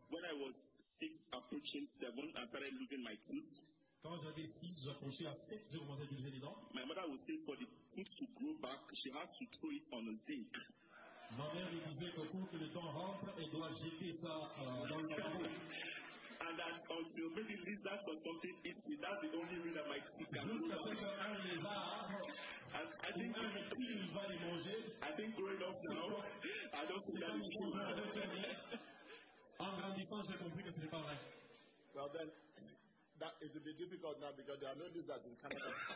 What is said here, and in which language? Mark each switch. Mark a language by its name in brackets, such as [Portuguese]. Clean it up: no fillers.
[English] When I was 6, approaching 7, I started losing my tooth. [French] Quand j'avais 6, j'approchais à 7, je commençais à utiliser les dents. [English] My mother would say for the tooth to grow back, she has to throw it on a zinc. [French] Ma mère me disait que pour que les dents rentrent, elle doit jeter ça dans le carreau. [English] And that until maybe lizards or something eats it, that's the only way that my tooth can I think growing up now, I don't see that it's true. [French] En grandissant, j'ai compris que ce n'est pas vrai. [English] Well then, that it will be difficult now because there are no lizards in Canada.